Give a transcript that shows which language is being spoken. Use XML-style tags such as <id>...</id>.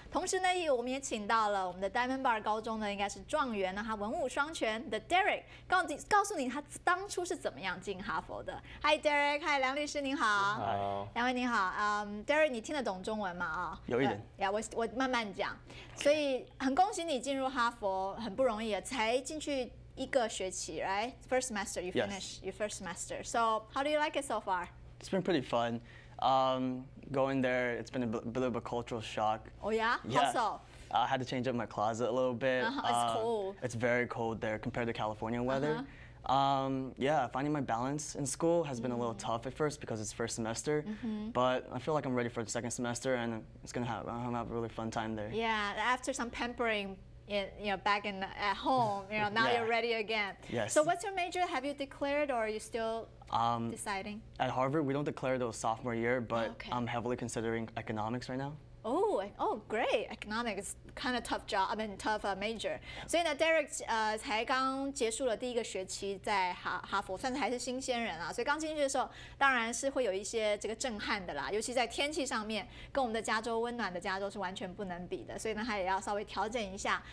<zh>同时呢，我们也请到了我们的 Diamond Bar 高中的应该是状元，他文武双全的 Derek， 告诉你他当初是怎么样进哈佛的。 Hi Derek， Hi 梁律师，您好。好。两位您好。Derek， 你听得懂中文吗？有一点。我慢慢讲。所以很恭喜你进入哈佛，很不容易，才进去一个学期， right?</zh> <en>First semester, you finish. Yes. Your first semester. So, how do you like it so far? It's been pretty fun. Going there, it's been a bit of a cultural shock. Oh yeah? Yeah. How so? I had to change up my closet a little bit. It's cold. It's very cold there compared to California weather. Finding my balance in school has been a little tough at first because it's first semester, but I feel like I'm ready for the second semester and it's gonna have, I'm gonna have a really fun time there. Yeah, after some pampering, back in at home, now you're ready again. Yes. So what's your major? Have you declared or are you still deciding? At Harvard, we don't declare those sophomore year, but I'm heavily considering economics right now. Oh, great. Economics, kind of tough job, tough major.</en> <zh>So, Derek, 才刚结束了第一个学期在哈佛，算是还是新鲜人啊。所以刚进去的时候，当然是会有一些这个震撼的啦。尤其在天气上面，跟我们的加州温暖的加州是完全不能比的。所以呢，他也要稍微调整一下。</zh>